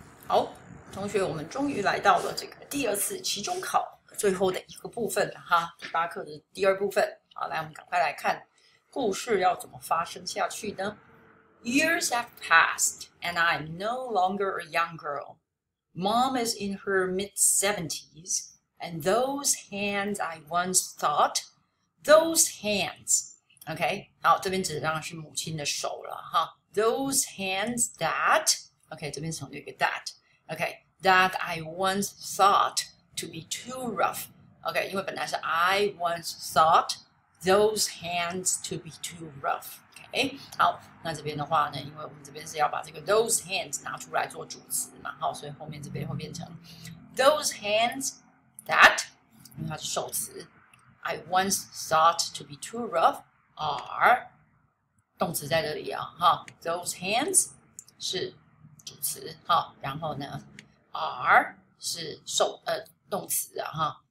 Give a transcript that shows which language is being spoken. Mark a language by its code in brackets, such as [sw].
[zh] 好，同学，我们终于来到了这个第二次期中考最后的一个部分了哈，第八课的第二部分。好，来，我们赶快来看故事要怎么发生下去呢？ [en] Years have passed, and I'm no longer a young girl. Mom is in her mid-70s, and those hands I once thought, those hands, okay? [zh] 好，这边指的当然是母亲的手了哈。 [en] Those hands that... Okay, [zh] 这边省略一个 [en] that. Okay, that I once thought to be too rough. [zh] Okay, 因为本来是 [en] I once thought those hands to be too rough. [zh] Okay, 好，那这边的话呢，因为我们这边是要把这个 those hands 拿出来做主词嘛，好，所以后面这边会变成 [en] those hands that, [zh] 因为它是受词 [en] I once thought to be too rough are, [zh] 动词在这里啊，哈 those hands 是主词好，然后呢 ，are 是受动词啊哈。